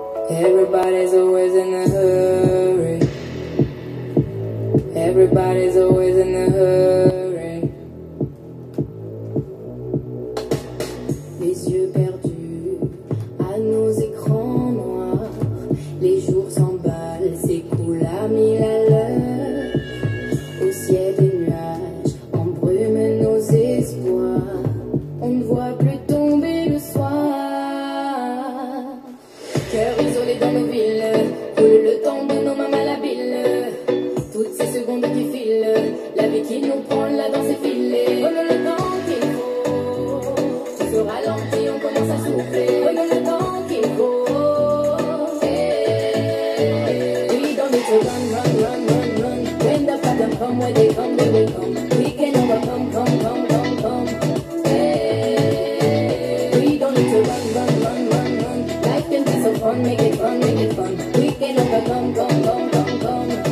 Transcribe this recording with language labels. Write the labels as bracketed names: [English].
[English] Everybody's always in a hurry. Everybody's always in a hurry. [French] Les yeux perdus à nos écrans noirs. Les jours s'emballent, s'écoulent à mille à l'heure. Au ciel des nuages embrument nos espoirs. On ne voit plus tomber le soir. Cœur isolé dans nos villes, coule le temps de nos mains malhabiles. Toutes ces secondes qui filent, la vie qui nous prend là dans ses filets. Oh non, le temps qu'il faut se ralentit, on commence à souffler. Oh non, le temps qu'il faut. [English] Hey. We don't need to run, run, run, run, run. When the problem come, where they come, they will come. We can overcome, come, come, come, come. Hey. We don't need to run, run, run, run, run. Life can be so fun, make it fun, make it fun. We can overcome, come, come, come, come.